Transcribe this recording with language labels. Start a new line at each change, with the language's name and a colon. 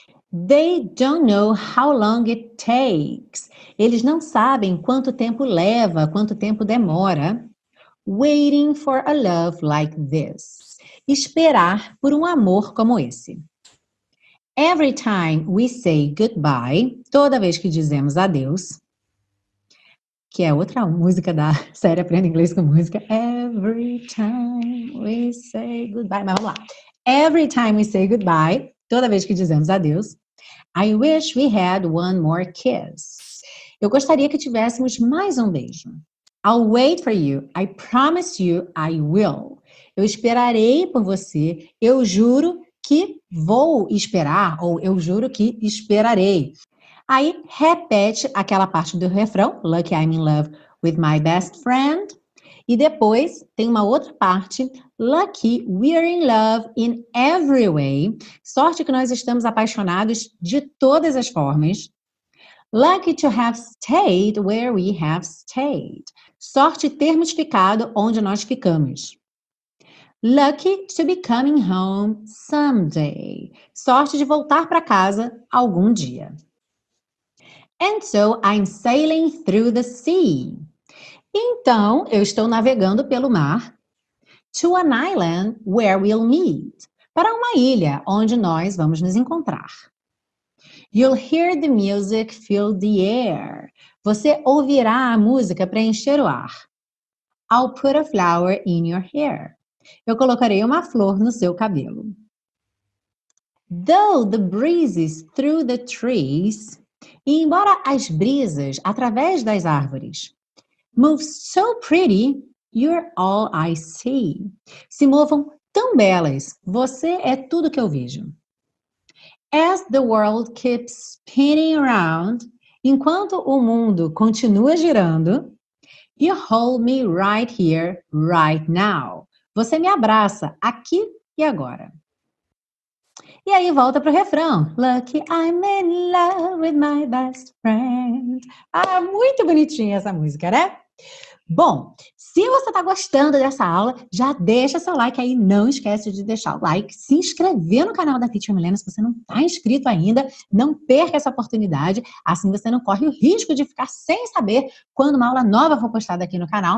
English: They don't know how long it takes.
Portuguese: Eles não sabem quanto tempo leva, quanto tempo demora.
English: Waiting for a love like this.
Portuguese: Esperar por um amor como esse.
English: Every time we say goodbye,
Portuguese: toda vez que dizemos adeus. Que é outra música da série Aprenda Inglês com Música.
English: Every time we say goodbye.
Portuguese: Mas vamos lá.
English: Every time we say goodbye,
Portuguese: toda vez que dizemos adeus,
English: I wish we had one more kiss.
Portuguese: Eu gostaria que tivéssemos mais um beijo.
English: I'll wait for you. I promise you I will.
Portuguese: Eu esperarei por você. Eu juro que vou esperar. Ou eu juro que esperarei. Aí repete aquela parte do refrão,
English: Lucky I'm in love with my best friend.
Portuguese: E depois tem uma outra parte,
English: Lucky we're in love in every way.
Portuguese: Sorte que nós estamos apaixonados de todas as formas.
English: Lucky to have stayed where we have stayed.
Portuguese: Sorte termos ficado onde nós ficamos.
English: Lucky to be coming home someday.
Portuguese: Sorte de voltar para casa algum dia.
English: And so I'm sailing through the sea.
Portuguese: Então, eu estou navegando pelo mar.
English: To an island where we'll meet.
Portuguese: Para uma ilha onde nós vamos nos encontrar.
English: You'll hear the music fill the air.
Portuguese: Você ouvirá a música preencher o ar.
English: I'll put a flower in your hair.
Portuguese: Eu colocarei uma flor no seu cabelo.
English: Though the breeze is through the trees.
Portuguese: E embora as brisas através das árvores
English: move so pretty, you're all I see.
Portuguese: Se movam tão belas, você é tudo que eu vejo.
English: As the world keeps spinning around,
Portuguese: enquanto o mundo continua girando,
English: you hold me right here, right now.
Portuguese: Você me abraça aqui e agora. E aí volta pro refrão.
English: Lucky I'm in love with my best friend.
Portuguese: Ah, muito bonitinha essa música, né? Bom, se você está gostando dessa aula, já deixa seu like aí. Não esquece de deixar o like. Se inscrever no canal da Teacher Milena, se você não está inscrito ainda. Não perca essa oportunidade. Assim você não corre o risco de ficar sem saber quando uma aula nova for postada aqui no canal.